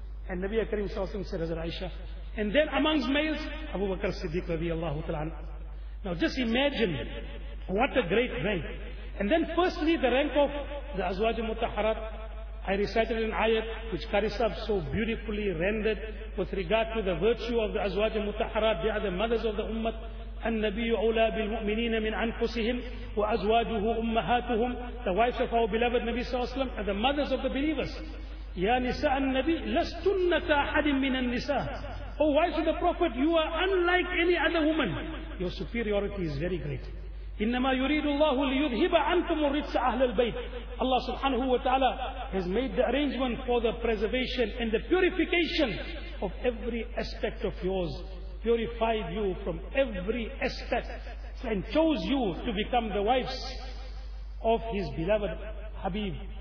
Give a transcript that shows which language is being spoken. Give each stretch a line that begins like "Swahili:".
English: And Nabi Kareem Sallallahu Alaihi Wasallam said, Hazrat Aisha. And then amongst males, Abu Bakr Siddiq radiallahu anhu. Now just imagine what a great rank. And then firstly the rank of the Azwaj al-Mutahharat, I recited an ayat which Qari Sahib so beautifully rendered with regard to the virtue of the Azwaj al-Mutahharat, they are the mothers of the Ummah.
Arabic: النبي أولى بالمؤمنين من أنفسهم وأزواجه أمهاتهم.
English: The wives of our beloved Nabi صلى الله عليه وسلم are the mothers of the believers.
Arabic: يا نساء النبي لستن كأحد من النساء.
English: O wives of the Prophet, you are unlike any other woman. Your superiority is very great.
Arabic: إنما يريد الله ليذهب عنكم الرجس أهل البيت.
English: Allah سبحانه وتعالى has made the arrangement for the preservation and the purification of every aspect of yours. Purified you from every aspect and chose you to become the wives of his beloved Habib.